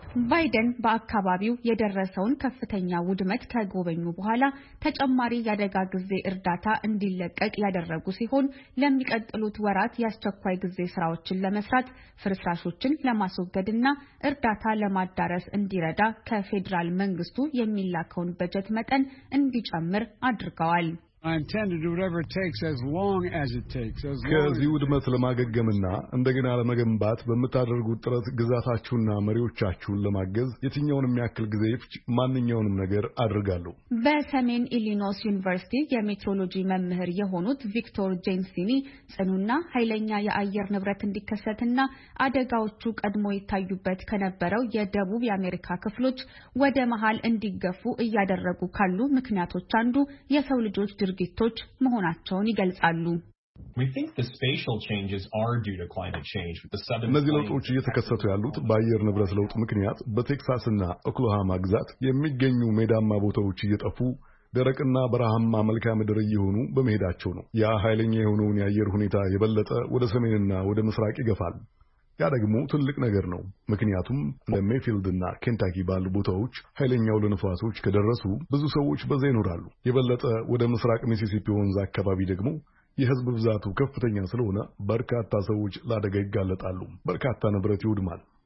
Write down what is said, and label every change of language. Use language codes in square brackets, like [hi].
[am] ባይደን በአካባቢው የደረሰውን ከፍተኛ ውድመት ከጎበኙ በኋላ ተጨማሪ ያደጋ ጊዜ እርዳታ እንዲለቀቅ ያደረጉ ሲሆን ለሚቀጥሉት ወራት ያስቸኳይ ጊዜ ስራዎችን ለመስራት ፍርስራሾችን ለማስወገድና እርዳታ ለማዳረስ እንዲረዳ ከፌደራል መንግስቱ የሚላከውን በጀት መጠን እንዲጨምር አድርገዋል። [en] I intend to do whatever it takes as long as it takes. [am] ከዚህ ውድመት ለማገገምና እንደገና ለመገንባት በመታደርጉት ጥረት ግዛታችሁና መሪዎቻችሁን ለማገዝ የትኛውንም ያክል ጊዜ ይፍጅ ማንኛውንም ነገር አድርጋለሁ። በሰሜን ኢሊኖይስ ዩኒቨርሲቲ የሜትሮሎጂ መምህር የሆኑት ቪክቶር ጄንሲኒ ጽኑና ኃይለኛ የአየር ንብረት እንዲከሰትና አደጋዎቹ ቀድሞ ይታዩበት ከነበረው የደቡብ አሜሪካ ክፍሎች ወደ መሃል እንዲገፉ እያደረጉ ካሉ ምክንያቶች አንዱ የሰው ልጆች ድርጊቶች መሆናቸውን ይገልጻሉ። [en] We think the spatial changes are due to climate change with the sudden [am] መዝለጦች እየተከሰቱ ያሉት በአየር ንብረት ለውጥ ምክንያት በቴክሳስና ኦክላሆማ ግዛት የሚገኙ ሜዳማ ቦታዎች እየጠፉ ደረቅና በረሃማ መልክዓ ምድር እየሆኑ በመሄዳቸው ነው። ያ ኃይለኛ የሆነውን የአየር ሁኔታ የበለጠ ወደ ሰሜንና ወደ ምስራቅ ይገፋል። ያ ደግሞ ትልቅ ነገር ነው። ምክንያቱም እንደ ሜፊልድ እና ኬንታኪ ባሉ ቦታዎች ኃይለኛው ለንፋሶች ከደረሱ ብዙ ሰዎች በዛ ይኖራሉ። የበለጠ ወደ ምስራቅ ሚሲሲፒ ወንዝ አካባቢ ደግሞ የህዝብ ብዛቱ ከፍተኛ ስለሆነ በርካታ ሰዎች ለአደጋ ይጋለጣሉ። በርካታ ንብረት ይውድማል።